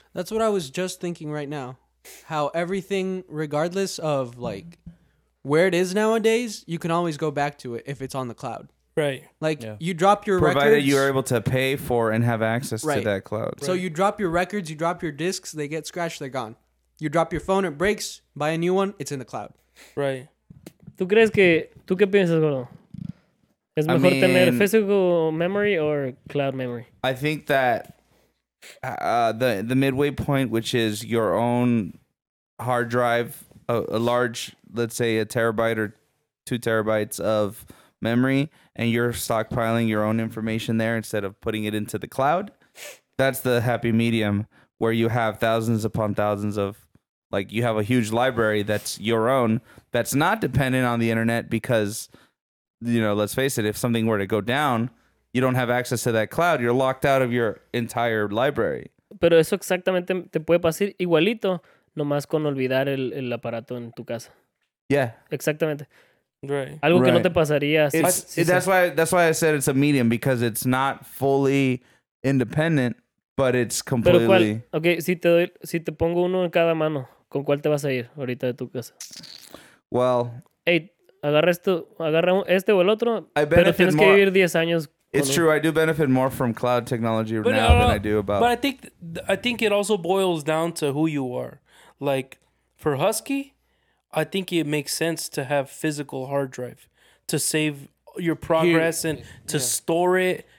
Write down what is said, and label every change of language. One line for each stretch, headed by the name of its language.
English: That's what I was just thinking right now. How everything, regardless of like where it is nowadays, you can always go back to it if it's on the cloud. Right. Like you drop your provided records. Provided you are able to pay for and have access to that cloud. Right. So you drop your records, you drop your discs, they get scratched, they're gone. You drop your phone, it breaks, buy a new one, it's in the cloud. Right.
Spanish: ¿Tú crees que, tú qué piensas, gordo? ¿Es mejor tener
English: physical memory or cloud memory? I think that the midway point, which is your own hard drive, a large, let's say a terabyte or 2 terabytes of memory, and you're stockpiling your own information there instead of putting it into the cloud, that's the happy medium where you have thousands upon thousands of, like, you have a huge library that's your own that's not dependent on the internet because, you know, let's face it, if something were to go down, you don't have access to that cloud. You're locked out of your entire library.
Spanish: Pero eso exactamente te puede pasar igualito, nomás con olvidar el aparato en tu casa.
English: Yeah.
Spanish: Exactamente.
English: Right.
Spanish: Algo
English: right.
Spanish: que no te pasaría.
English: That's why I said it's a medium, because it's not fully independent, but it's completely.
Spanish: Pero cuál, okay, si te pongo uno en cada mano, ¿con cuál te vas a ir ahorita de tu casa?
English: Well.
Spanish: Hey, agarra este o el otro, pero tienes
English: more
Spanish: que vivir 10 años.
English: It's true. I do benefit more from cloud technology now than I do about. But I think it also boils down to who you are. Like for Husky, I think it makes sense to have physical hard drive to save your progress and to store it.